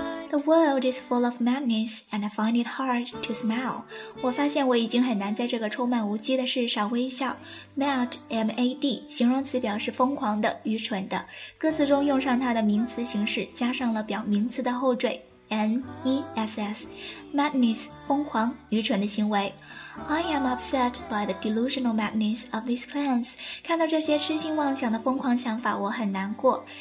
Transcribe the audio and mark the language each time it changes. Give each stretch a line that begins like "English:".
English: The world is full of madness, and I find it hard to smile.
Chinese: 我发现我已经很难在这个充满无稽的世上微笑。 Mad, M-A-D, 形容词表示疯狂的、愚蠢的。歌词中用上它的名词形式，加上了表名词的后缀 N-E-S-S. Madness, 疯狂、愚蠢的行为。
English: I am upset by the delusional madness of these plans.
Chinese: 看到这些痴心妄想的疯狂想法，我很难过。